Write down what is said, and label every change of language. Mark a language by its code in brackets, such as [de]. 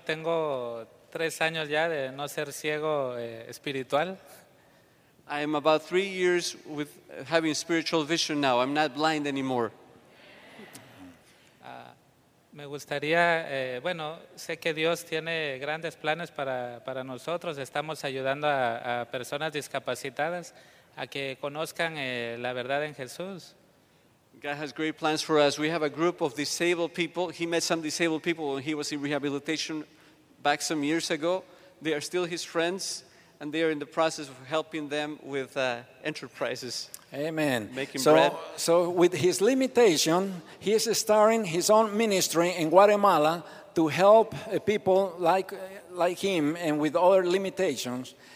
[es] Tengo 3 años ya de no ser ciego espiritual. [en] I am about 3 years with having spiritual vision now. I'm not blind anymore. [es] Me gustaría, bueno, sé que Dios tiene grandes planes para nosotros. Estamos ayudando a personas discapacitadas a que conozcan la verdad en Jesús. [en] God has great plans for us. We have a group of disabled people. He met some disabled people when he was in rehabilitation back some years ago. They are still his friends. And they are in the process of helping them with enterprises. Amen. Making bread. So with his limitation, he is starting his own ministry in Guatemala to help people like him and with other limitations.